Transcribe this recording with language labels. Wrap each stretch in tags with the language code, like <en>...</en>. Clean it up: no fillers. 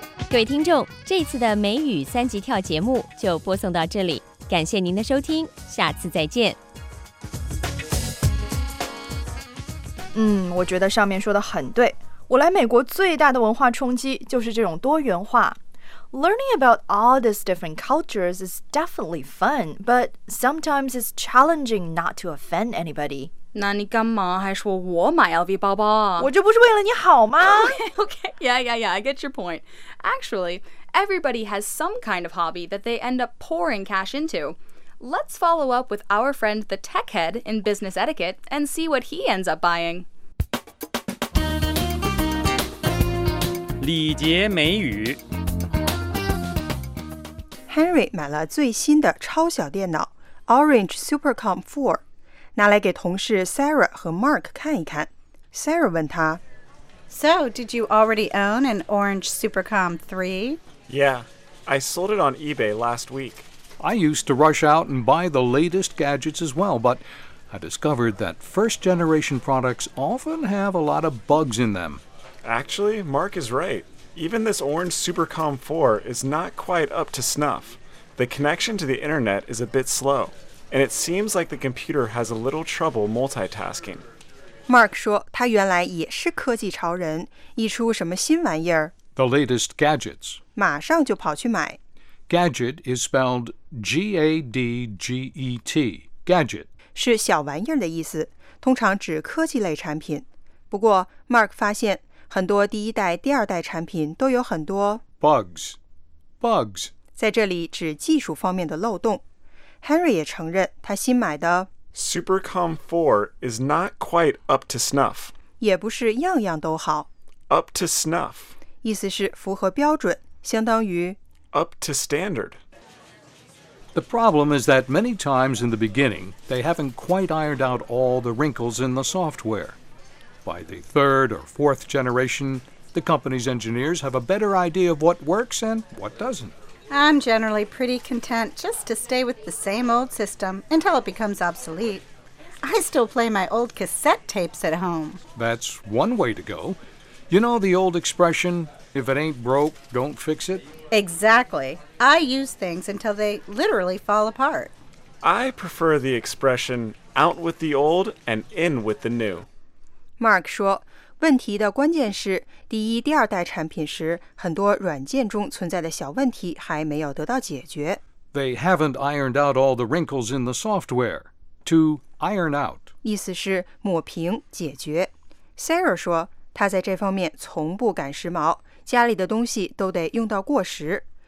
<zh>各位听众，这次的美语三级跳节目就播送到这里。感谢您的收听，下次再见。嗯，我觉得上面说的很对。我来美国最大的文化冲击就是这种多元化。</zh> <en>Learning about all these different cultures is definitely fun, but sometimes it's challenging not to offend anybody.</en> <zh>那你干嘛还说我买 LV 包包啊？我这不是为了你好吗</zh> <en>？Okay, yeah, I get your point. Actually. Everybody has some kind of hobby that they end up pouring cash into. Let's follow up with our friend the tech head in business etiquette and see what he ends up buying.</en> <zh>礼节美语 Henry 买了最新的超小电脑 Orange Supercomp 4，拿来给同事 Sarah 和 Mark 看一看。Sarah 问他</zh> <en>So, did you already own an Orange Supercomp 3? Yeah, I sold it on eBay last week. I used to rush out and buy the latest gadgets as well, but I discovered that first-generation products often have a lot of bugs in them. Actually, Mark is right. Even this Orange Supercomp 4 is not quite up to snuff. The connection to the internet is a bit slow, and it seems like the computer has a little trouble multitasking.</en> <zh>Mark 说他原来也是科技潮人，一出什么新玩意儿。</zh> <en>The latest gadgets.</en> <zh>马上就跑去买。</zh> <en>Gadget is spelled G-A-D-G-E-T. Gadget.</en> <zh>是小玩意儿的意思，通常指科技类产品。不过 ,Mark 发现很多第一代、第二代产品都有很多</zh> <en>Bugs. Bugs.</en> <zh>在这里指技术方面的漏洞。 Henry 也承认他新买的</zh> <en>Supercomp 4 is not quite up to snuff.</en> <zh>也不是样样都好。</zh> <en>Up to snuff.</en> <zh>意思是符合标准，相当于</zh> <en>up to standard. The problem is that many times in the beginning, they haven't quite ironed out all the wrinkles in the software. By the third or fourth generation, the company's engineers have a better idea of what works and what doesn't. I'm generally pretty content just to stay with the same old system until it becomes obsolete. I still play my old cassette tapes at home. That's one way to go. You know the old expression, if it ain't broke, don't fix it? Exactly. I use things until they literally fall apart. I prefer the expression, out with the old and in with the new.</en> <zh>Mark 说，问题的关键是第一、第二代产品时，很多软件中存在的小问题还没有得到解决。</zh> <en>They haven't ironed out all the wrinkles in the software. To iron out.</en> <zh>意思是抹平、解决。 Sarah 说，他在这方面从不赶时髦，家里的东西都得用到过时。</zh>